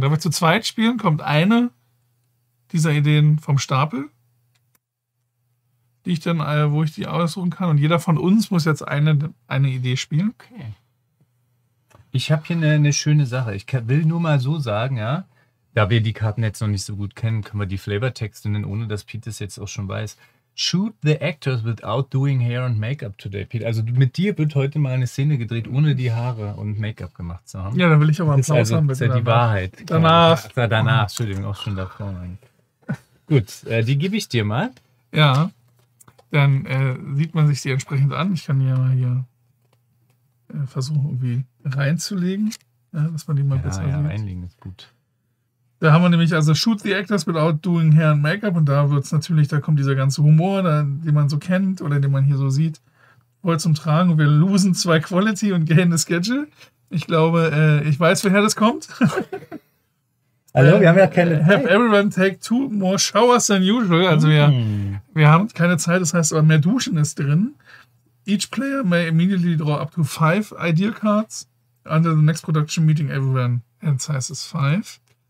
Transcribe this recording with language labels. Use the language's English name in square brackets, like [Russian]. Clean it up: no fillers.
[German] Da wir zu zweit spielen, kommt eine dieser Ideen vom Stapel, die ich dann, wo ich die aussuchen kann. Und jeder von uns muss jetzt eine Idee spielen. Okay. Ich habe hier eine schöne Sache. Ich will nur mal so sagen, ja. Da wir die Karten jetzt noch nicht so gut kennen, können wir die Flavortexte nennen, ohne dass Pete das jetzt auch schon weiß. [English] Shoot the actors without doing hair and makeup today, Pete. [German] Also mit dir wird heute mal eine Szene gedreht, ohne die Haare und Make-up gemacht zu haben. Ja, dann will ich auch mal einen Applaus haben. Das ist ja die Wahrheit. Danach. Entschuldigung, auch schon davor. Gut, die gebe ich dir mal. Ja, dann sieht man sich die entsprechend an. Ich kann die ja mal hier versuchen, irgendwie reinzulegen, dass man die mal besser sieht. Ja, reinlegen ist gut. Da haben wir nämlich also [English] Shoot the Actors without doing hair and makeup [German] und da wird es natürlich, da kommt dieser ganze Humor, den man so kennt oder den man hier so sieht, voll zum Tragen und wir losen zwei Quality und [English] gain the Schedule. [German] Ich glaube, ich weiß, woher das kommt. Hallo, wir haben ja keine Zeit. [English] Have everyone take two more showers than usual. [German] Also wir haben keine Zeit, das heißt aber mehr Duschen ist drin. [English] Each player may immediately draw up to 5 ideal cards. Under the next production meeting, everyone hands size is 5.